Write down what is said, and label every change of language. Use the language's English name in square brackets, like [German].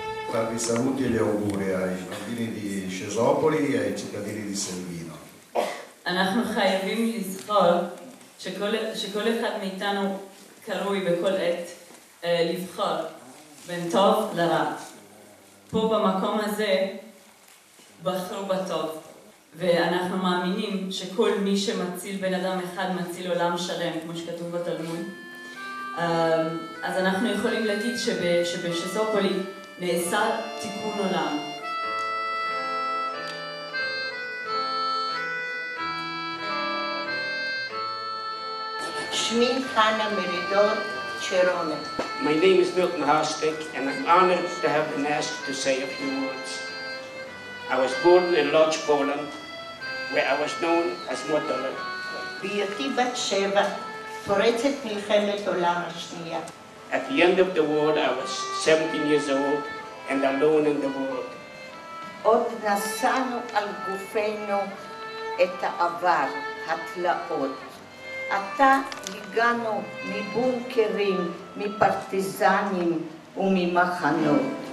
[Italian] Tanti saluti e gli auguri ai bambini di Sciesopoli e ai cittadini di Selvino. [Hebrew] אנחנו חייבים לזכור שכל אחד מאיתנו קרוי בכל עת לבחור בין טוב לרע. פה במקום הזה בחרו בטוב, ואנחנו מאמינים שכל מי שמציל בן אדם אחד מציל עולם שלם, כמו שכתוב בתלמוד. אז אנחנו יכולים להגיד שבשיסופולי נאסר תיקון עולם. שמי חנה מרידור צ'רונה. [English] My name is Milton Hostick, and I'm honored to have been asked to say a few words. I was born in Lodz, Poland, where I was known as Motole. [Hebrew] ביתי בת שבע, פורצת מלחמת עולם השנייה. [English] At the end of the war, I was 17 years old, and alone in the world. [Hebrew] עוד נשאנו על גופנו את העבר, התלאות. עתה הגענו מבונקרים, מפרטיזנים וממחנות.